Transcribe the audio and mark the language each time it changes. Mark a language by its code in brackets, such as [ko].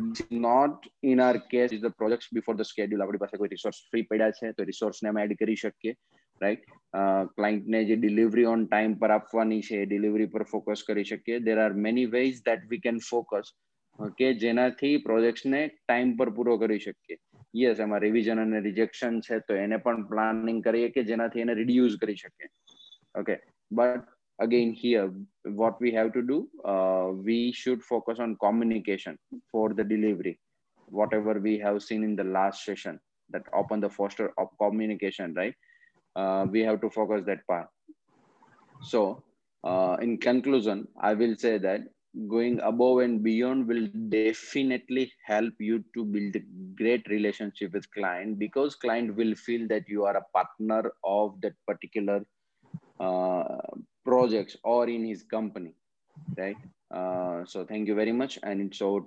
[en] Not in our case is the projects before the schedule. [gu] આપણી પાસે કોઈ resource free પડ્યા છે તો રિસોર્સને અમે એડ કરી શકીએ, રાઈટ. ક્લાયન્ટને જે ડિલિવરી ઓન ટાઈમ પર આપવાની છે ડિલિવરી પર ફોકસ કરી શકીએ. [en] there are many ways that we can focus [gu] કે જેનાથી પ્રોજેક્ટ્સને ટાઈમ પર પૂરો કરી શકીએ. યસ, એમાં રિવિઝન અને રિજેક્શન છે તો એને પણ પ્લાનિંગ કરીએ કે જેનાથી એને રિડ્યુસ કરી શકીએ. [en] Okay, but again here what we have to do, we should focus on communication for the delivery, whatever we have seen in the last session, that open the foster of communication, right? We have to focus that part. So in conclusion I will say that going above and beyond will definitely help you to build a great relationship with client, because client will feel that you are a partner of that particular projects or in his company, right? So thank you very much and it's over to